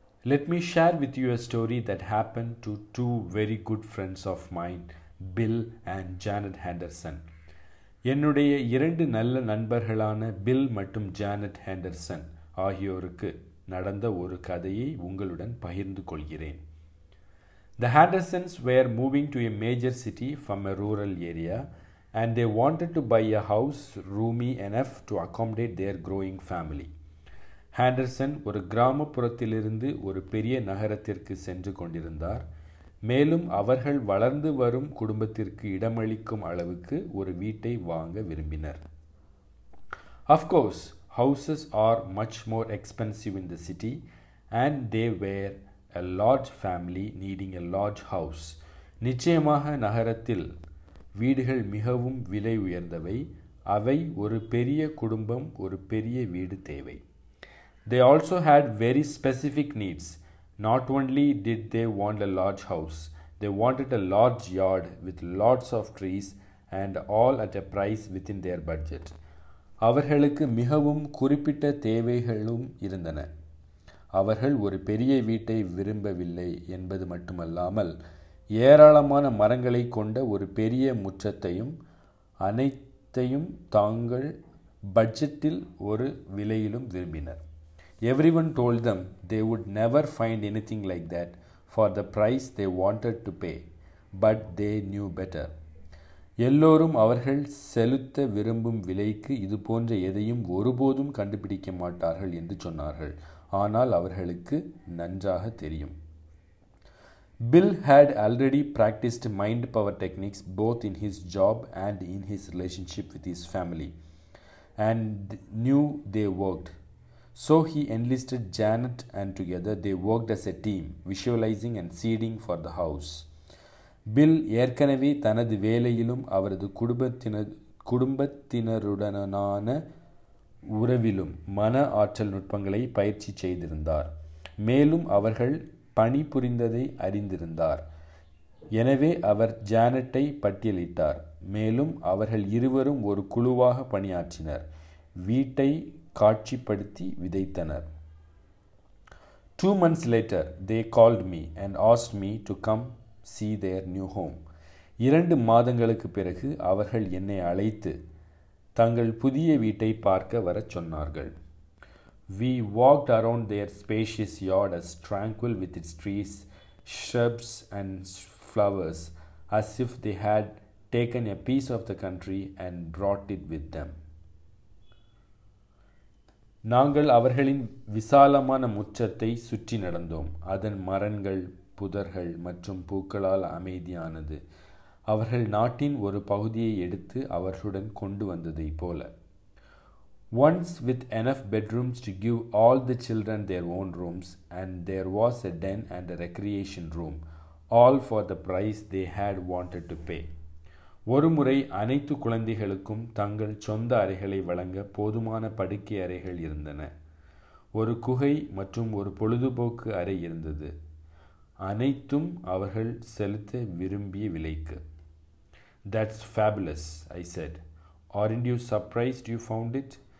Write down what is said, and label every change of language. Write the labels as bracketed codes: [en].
[en] Let me share with you a story that happen to two very good friends of mine, Bill and Janet Henderson. [ta] என்னுடைய இரண்டு நல்ல நண்பர்களான bill மற்றும் Janet Henderson ஆகியோருக்கு நடந்த ஒரு கதையை உங்களுடன் பகிர்ந்து கொள்கிறேன். [en] The Hendersons were moving to a major city from a rural area, and they wanted to buy a house roomy enough to accommodate their growing family. [ta] Henderson ஒரு கிராமப்புறத்திலிருந்து ஒரு பெரிய நகரத்திற்கு சென்று கொண்டிருந்தார், மேலும் அவர்கள் வளர்ந்து வரும் குடும்பத்திற்கு இடமளிக்கும் அளவுக்கு ஒரு வீட்டை வாங்க விரும்பினர். [en] Of course, houses are much more expensive in the city, and they were a large family needing a large house. [ta] நிச்சயமாக நகரத்தில் வீடுகள் மிகவும் விலை உயர்ந்தவை, அவை ஒரு பெரிய குடும்பம், ஒரு பெரிய வீடு தேவை. [en] They also had very specific needs. Not only did they want a large house, they wanted a large yard with lots of trees and all at a price within their budget. [ta] அவர்களுக்கு மிகவும் குறிப்பிட்ட தேவைகளும் இருந்தன. அவர்கள் ஒரு பெரிய வீட்டை விரும்பவில்லை என்பது மட்டுமல்லாமல், ஏராளமான மரங்களை கொண்ட ஒரு பெரிய முற்றத்தையும் அனைத்தையும் தாங்கள் பட்ஜெட்டில் ஒரு விலையிலும் விரும்பினர். [en] Everyone told them they would never find anything like that for the price they wanted to pay, but they knew better. [ta] எல்லோரும் அவர்கள் செலுத்த விரும்பும் விலைக்கு இது போன்ற எதையும் ஒருபோதும் கண்டுபிடிக்க மாட்டார்கள் என்று சொன்னார்கள். ஆனால் அவர்களுக்கு நன்றாக தெரியும். [en] Bill had already practiced mind power techniques both in his job and in his relationship with his family, and knew they worked. So he enlisted Janet, and together they worked as a team, visualizing and seeding for the house. [ta] Bill ஏற்கனவே தனது வேலையிலும் அவரது குடும்பத்தினருடனான உறவிலும் மன ஆற்றல் நுட்பங்களை பயிற்சி செய்திருந்தார். மேலும் அவர்கள் பணி புரிந்ததை அறிந்திருந்தார். எனவே அவர் ஜானட்டை பட்டியலிட்டார். மேலும் அவர்கள் இருவரும் ஒரு குழுவாக பணியாற்றினர், வீட்டை காட்சிப்படுத்தி விதைத்தனர். [en] 2 months later, they called me and asked me to come see their new home. [ta] 2 மாதங்களுக்கு பிறகு அவர்கள் என்னை அழைத்து தங்கள் புதிய வீட்டை பார்க்க வர சொன்னார்கள். [en] We walked around their spacious yard as tranquil with its trees, shrubs and flowers as if they had taken a piece of the country and brought it with them. [ta] நாங்கள் அவர்களின் விசாலமான முற்றத்தை சுற்றி நடந்தோம். அதன் மரங்கள், புதர்கள் மற்றும் பூக்களால் அமைதியானது அவர்கள் நாட்டின் ஒரு பகுதியை எடுத்து அவர்களுடன் கொண்டு வந்ததைப் போல. [en] Once with enough bedrooms to give all the children their own rooms, and there was a den and a recreation room, all for the price they had wanted to pay. [ta] ஒரு முறை அனைத்து குழந்தைகளுக்கும் தங்கள் சொந்த அறைகளை வழங்க போதுமான படுக்கை அறைகள் இருந்தன. ஒரு குகை மற்றும் ஒரு பொழுதுபோக்கு அறை இருந்தது. அனைத்தும் அவர்கள் செலுத்த விரும்பிய விலைக்கு. [en] That's fabulous, I said. Aren't you surprised you found it?